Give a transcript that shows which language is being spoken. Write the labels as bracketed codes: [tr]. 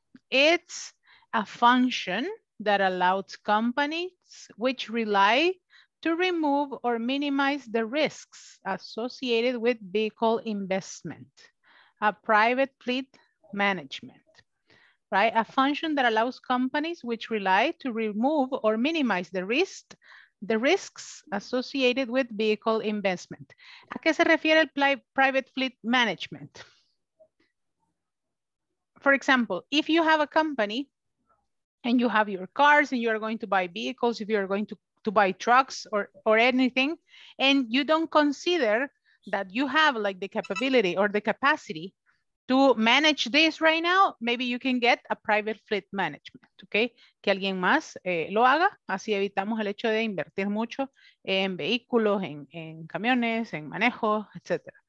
[en] It's a function that allows companies which rely to remove or minimize the risks associated with vehicle investment. A private fleet management, right? A function that allows companies which rely to remove or minimize the risks associated with vehicle investment. [es] ¿A qué se refiere el private fleet management? [en] For example, if you have a company and you have your cars and you are going to buy vehicles, if you are going to buy trucks or anything, and you don't consider that you have like the capability or the capacity to manage this right now, maybe you can get a private fleet management, okay? [es] Que alguien más lo haga, así evitamos el hecho de invertir mucho en vehículos, en camiones, en manejo, etc.